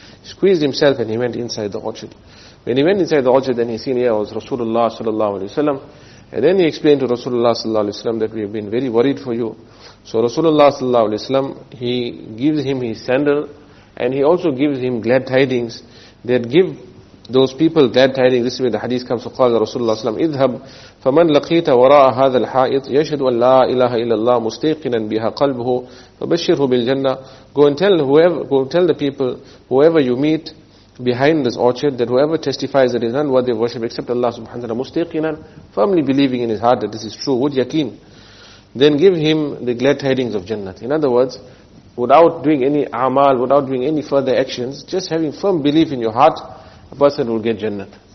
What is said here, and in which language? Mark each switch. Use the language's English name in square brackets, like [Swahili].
[English] He squeezed himself and he went inside the orchard. When he went inside the orchard, then he seen here was Rasulullah sallallahu alayhi wa sallam. And then he explained to Rasulullah sallallahu alayhi wa sallam that we have been very worried for you. So Rasulullah sallallahu alayhi wa sallam, he gives him his sandal and he also gives him glad tidings. That give those people glad tidings. This is where the hadith comes. So [Arabic] قال Rasulullah sallam, اذهب فمن لقيت وراء هذا الحائط يشهد أن لا إله إلا الله مستيقنا بها قلبه فبشره بالجنة. [English] Go and tell whoever, go and tell the people, whoever you meet behind this orchard, that whoever testifies that is none worthy of worship except Allah subhanahu wa ta'ala mustiqinan, firmly believing in his heart that this is true, would yakin, then give him the glad tidings of Jannah. In other words, without doing any amal, without doing any further actions, just having firm belief in your heart, a person will get Jannah.